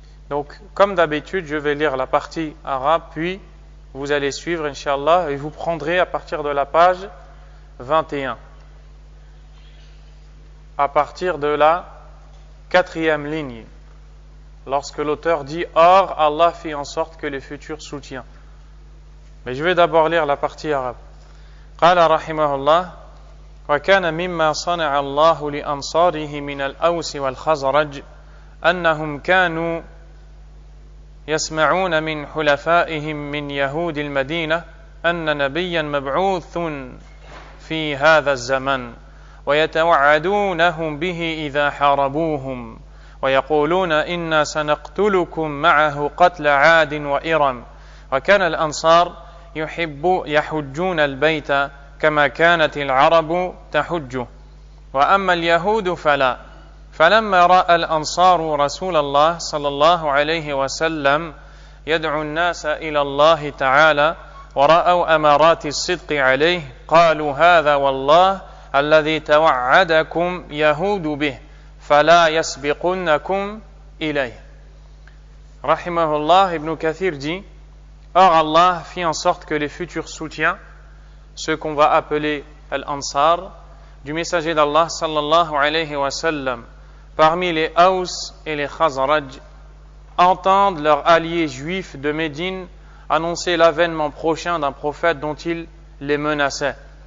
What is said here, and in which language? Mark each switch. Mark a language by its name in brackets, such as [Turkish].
[French] Donc, comme d'habitude, je vais lire la partie arabe, puis vous allez suivre, inshallah, et vous prendrez à partir de la page 21, à partir de la quatrième ligne, lorsque l'auteur dit « Or, Allah fit en sorte que les futurs soutiennent ». Mais je vais d'abord lire la partie arabe. « Qala rahimahullah, [Arabic] wa kana mimma sana'a Allahu li ansarihi min al-aws wal-khazraj, annahum kanu يسمعون من حلفائهم من يهود المدينة أن نبيا مبعوث في هذا الزمن ويتوعدونهم به إذا حاربوهم ويقولون إنا سنقتلكم معه قتل عاد وإرم وكان الأنصار يحجون البيت كما كانت العرب تحجه وأما اليهود فلا فلما رأى الأنصار رسول الله صلى الله عليه وسلم يدعو الناس إلى الله تعالى ورأوا أمارات الصدق عليه قالوا هذا والله الذي توعدكم يهود به فلا يسبقنكم إليه. رحمه الله ابن كثير دي: [French] Or Allah fit en sorte que les futurs soutiens, ceux qu'on va appeler الأنصار, du messager d'Allah [Arabic] صلى الله عليه وسلم, [French] parmi les Aous et les Khazraj, entendent leurs alliés juifs de Médine annoncer l'avènement prochain d'un prophète dont ils les menaçaient.